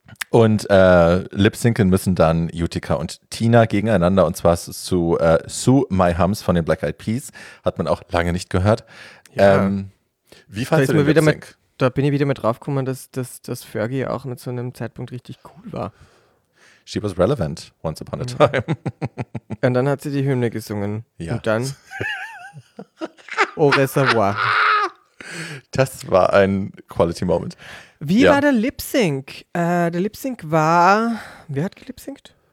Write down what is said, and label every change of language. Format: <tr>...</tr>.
<de>Und lip-sinken müssen dann Utica und Tina gegeneinander und zwar zu Sue My Hums von den Black Eyed Peas. Hat man auch lange nicht gehört. Ja. Wie fandest du den Lip-Sync? Da bin ich wieder mit draufgekommen, dass Fergie auch mit so einem Zeitpunkt richtig cool war.</de> <en>She was relevant once upon a time.</en> <de>Und dann hat sie die Hymne gesungen. Ja. Und dann Au Reservoir. Das war ein Quality Moment. Wie ja. War der Lip-Sync? Der Lip-Sync war, wer hat gelip-synced?</de>